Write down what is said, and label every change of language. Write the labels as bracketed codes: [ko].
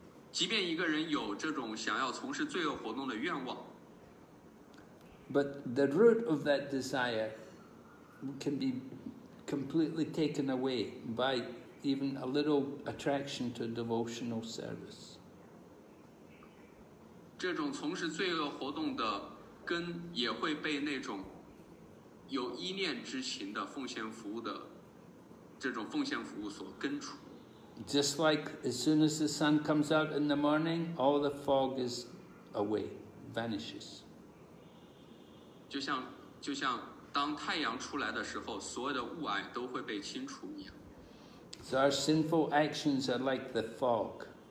[zh] 即便一个人有这种想要从事罪恶活动的愿望。 [en] But the root of that desire can be completely taken away by... even a little attraction to devotional service. [zh] 这种从事罪恶活动的根也会被那种有依恋之情的奉献服务的这种奉献服务所根除。 [en] Just like as soon as the sun comes out in the morning, all the fog is away, vanishes. [zh] 就像当太阳出来的时候，所有的雾霭都会被清除一样。 [en] So our sinful actions are like the fog.